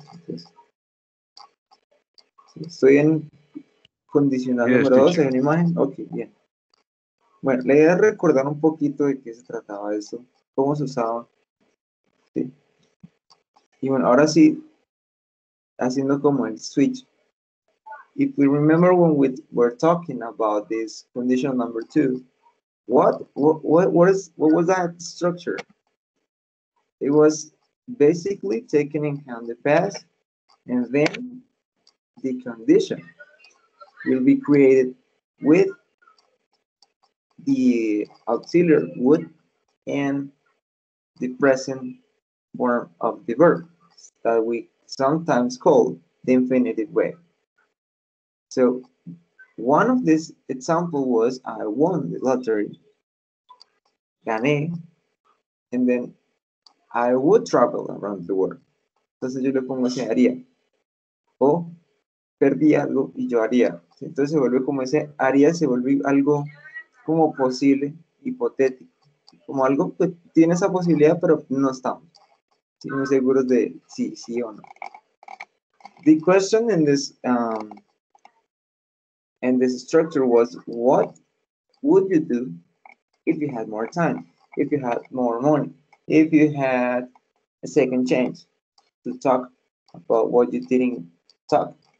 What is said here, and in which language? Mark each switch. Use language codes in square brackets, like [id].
[es] Entonces, estoy en condicional [en] Yes, [es] número 12 [en] teacher. [es] en imagen. Ok, bien. Bueno, la idea es recordar un poquito de qué se trataba esto, cómo se usaba. ¿Sí? Y bueno, ahora sí, haciendo como el switch. [en] If we remember when we were talking about this condition number 2, what was that structure? It was basically taking into account the past and then the condition will be created with the auxiliary would and the present form of the verb that we sometimes call the infinitive way. So one of these examples was I won the lottery, [es] gané, [en] and then I would travel around the world. [es] Entonces yo le pongo ese haría. O perdí algo y yo haría. Entonces se vuelve como ese haría, se vuelve algo como posible, hipotético. Como algo que tiene esa posibilidad, pero no estamos muy seguros de sí, sí o no. [en] The question in this structure was, what would you do if you had more time, if you had more money? If you had a second chance to talk about what you didn't talk.